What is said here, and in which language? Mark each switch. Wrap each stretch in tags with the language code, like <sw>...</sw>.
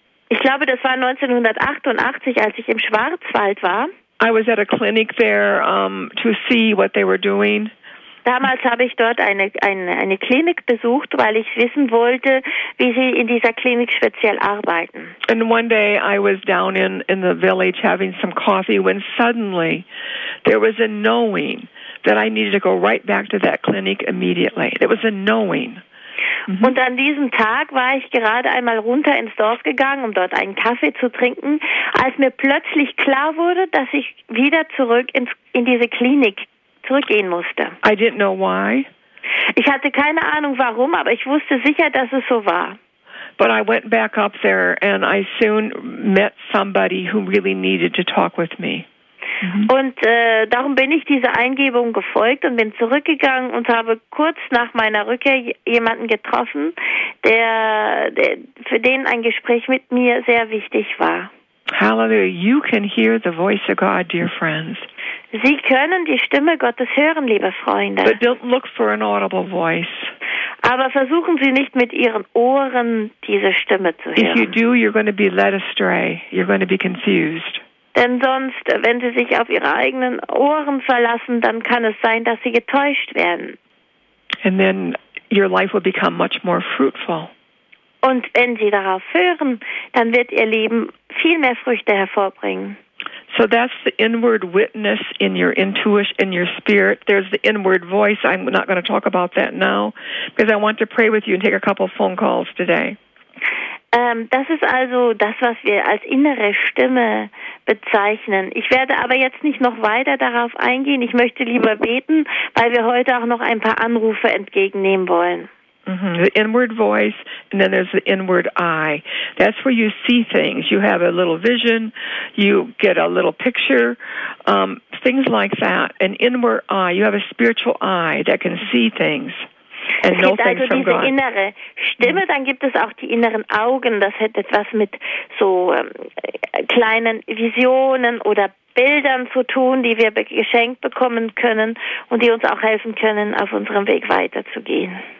<de>Ich glaube, das war 1988, als ich im Schwarzwald war.</de> <en>I was at a clinic there to see what they were doing.</en> <de>Damals habe ich dort eine Klinik besucht, weil ich wissen wollte, wie sie in dieser Klinik speziell arbeiten.</de> <en>And one day I was down in the village having some coffee when suddenly there was a knowing that I needed to go right back to that clinic immediately. It was a knowing.</en> <de>Und an diesem Tag war ich gerade einmal runter ins Dorf gegangen, um dort einen Kaffee zu trinken, als mir plötzlich klar wurde, dass ich wieder zurück in diese Klinik zurückgehen musste.</de> <en>I didn't know why.</en> <de>Ich hatte keine Ahnung warum, aber ich wusste sicher, dass es so war.</de> <en>But I went back up there and I soon met somebody who really needed to talk with me.</en> <de>Und darum bin ich dieser Eingebung gefolgt und bin zurückgegangen und habe kurz nach meiner Rückkehr jemanden getroffen, der für den ein Gespräch mit mir sehr wichtig war.</de> <en>Hallelujah, you can hear the voice of God, dear friends.</en> <de>Sie können die Stimme Gottes hören, liebe Freunde.</de> <en>But don't look for an audible voice.</en> <de>Aber versuchen Sie nicht mit Ihren Ohren diese Stimme zu hören.</de> <en>If you do, you're going to be led astray. You're going to be confused.</en> <de>Denn sonst, wenn sie sich auf ihre eigenen Ohren verlassen, dann kann es sein, dass sie getäuscht werden.</de> <en>And then your life will become much more fruitful.</en> <de>Und wenn sie darauf hören, dann wird ihr Leben viel mehr Früchte hervorbringen.</de> <en>So that's the inward witness in your intuition, in your spirit. There's the inward voice. I'm not going to talk about that now, because I want to pray with you and take a couple phone calls today.</en> <de>Das ist also das, was wir als innere Stimme bezeichnen. Ich werde aber jetzt nicht noch weiter darauf eingehen. Ich möchte lieber beten, weil wir heute auch noch ein paar Anrufe entgegennehmen wollen.</de> <en>The inward voice, and then there's the inward eye. That's where you see things. You have a little vision, you get a little picture, things like that. An inward eye, you have a spiritual eye that can see things.</en> <de>And es gibt also diese innere Stimme, dann gibt es auch die inneren Augen, das hat etwas mit so kleinen Visionen oder Bildern zu tun, die wir geschenkt bekommen können und die uns auch helfen können, auf unserem Weg weiterzugehen.</de>